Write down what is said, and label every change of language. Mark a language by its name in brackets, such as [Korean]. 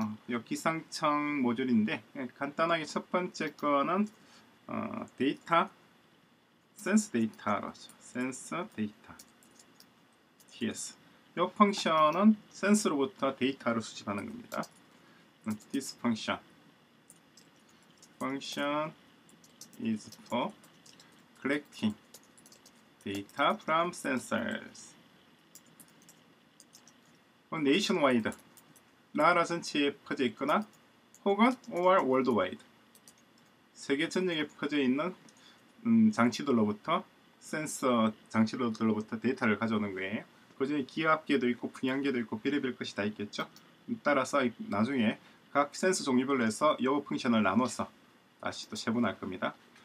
[Korean] 여기 기상청 모듈인데 간단하게 첫 번째 거는 데이터 센스 데이터라죠. 센스 데이터 TS. 이 펑션은 센스로부터 데이터를 수집하는 겁니다. [English] This function. Function is for collecting data from sensors. Nationwide. [Korean] 나라 전체에 퍼져 있거나 혹은 [English] or worldwide. [Korean] 세계 전역에 퍼져 있는 장치들로부터 센서 장치들로부터 데이터를 가져오는 거예요. 그 중에 기압계도 있고 풍향계도 있고 별의별 것이 다 있겠죠. 따라서 나중에 각 센서 종류별로 해서 이 펑션을 나눠서 다시 또 세분할 겁니다.